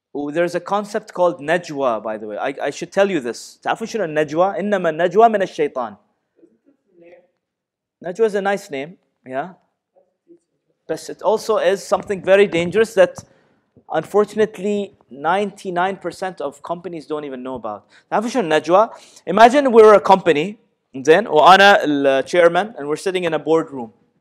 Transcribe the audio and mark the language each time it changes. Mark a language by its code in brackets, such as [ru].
[en] There's a concept called najwa, by the way. I should tell you this. [ar] تعرفوا شنو النجوى؟ إنما النجوى من الشيطان. [en] Najwa is a nice name, yeah. But it also is something very dangerous that, unfortunately, 99% of companies don't even know about. [ar] تعرفوا شنو النجوى؟ [en] Imagine we're a company, then وأنا chairman, and we're sitting in a boardroom.